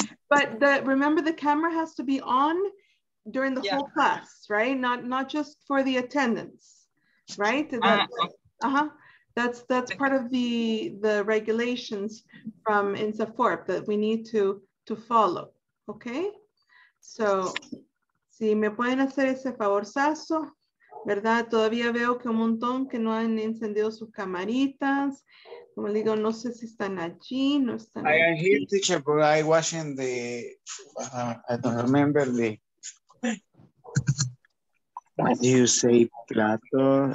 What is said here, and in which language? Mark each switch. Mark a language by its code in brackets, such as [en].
[en] But remember the camera has to be on during the whole class, right? Not just for the attendance, right? That's part of the regulations from INSAFORP that we need to follow, okay? [es] So, si me pueden hacer ese favorzazo, ¿verdad? Todavía veo que un montón que no han encendido sus camaritas. Como digo, no sé si están allí, no están [en] allí. I am here, teacher, but I was in the, I don't remember the, what do you say, plato?